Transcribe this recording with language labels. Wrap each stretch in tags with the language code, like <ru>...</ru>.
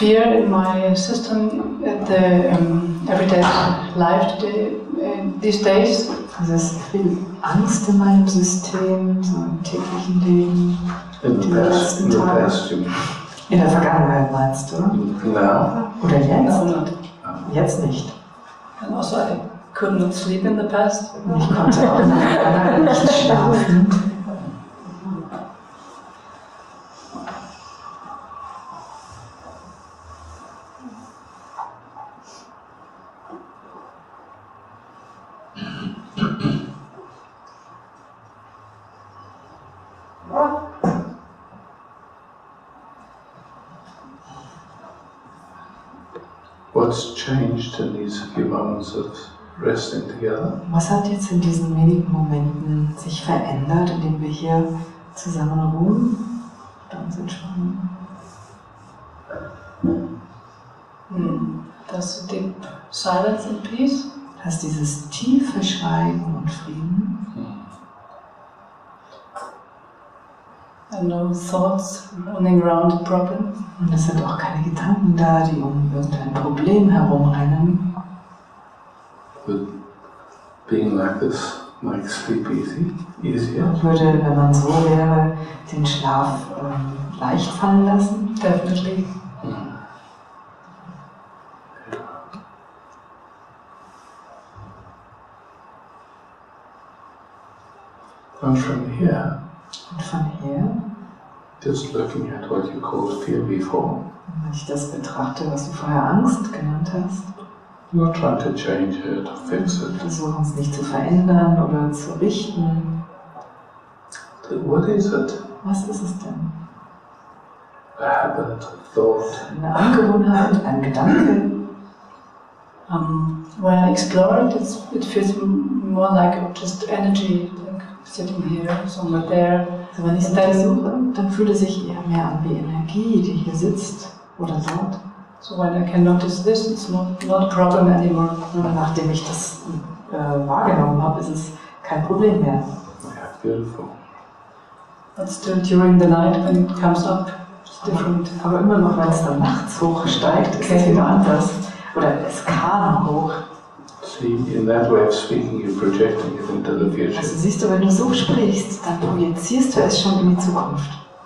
<en>fear in my system at the everyday life today, these days.</en> <de>Also es ist viel Angst in meinem System, so im täglichen Leben,</de> <en>in the past, you mean.</en> <de>In der Vergangenheit meinst du?</de> <en>No.</en> <de>Oder jetzt?</de> <en>No.</en> <de>Jetzt nicht.</de> <en>And also I could not sleep in the past.</en> <de>Ich konnte auch nicht schlafen.</de> <en>What's changed in these few moments of resting together?</en> <de>Was hat jetzt in diesen wenigen Momenten sich verändert, indem wir hier zusammen ruhen? Ganz entspannen. Das</de> <en>deep silence and peace.</en> <de>Hast dieses tiefe Schweigen und Frieden.</de> <en>And no thoughts running around the problem.</en> <de>Und es sind auch keine Gedanken da, die um irgendein Problem herumrennen.</de> <en>Would being like this make sleep easy, easier?</en> <de>Und würde, wenn man so wäre, den Schlaf leicht fallen lassen?</de> <en>Definitely. And from here.</en> <de>Und von hier.</de> <en>Just looking at what you called fear before.</en> <de>Wenn ich das betrachte, was du vorher Angst genannt hast.</de> <en>You are trying to change it or fix it.</en> <de>Versuchen es nicht zu verändern oder zu richten.</de> <en>What is it?</en> <de>Was ist es denn?</de> <en>A habit, a thought.</en> <de>Eine Angewohnheit, ein Gedanke.</de> <en>When I explore it, it feels more like just energy, like sitting here, somewhere there.</en> <de>So, wenn ich es dann suche, dann fühlt es sich eher mehr an wie Energie, die hier sitzt oder dort.</de> <en>So, when I can notice this, it's not a problem anymore.</en> <de>Und nachdem ich das wahrgenommen habe, ist es kein Problem mehr.</de> <en>Yeah, beautiful. But still during the night, when it comes up, it's different.</en> <de>Aber immer noch, wenn es dann nachts hoch steigt, okay. Ist es wieder anders. Oder es kam hoch.</de> <en>See, in that way of speaking, you're projecting it into the future.</en> <de>Also siehst du, wenn du so sprichst, dann projizierst du es schon in die Zukunft.</de>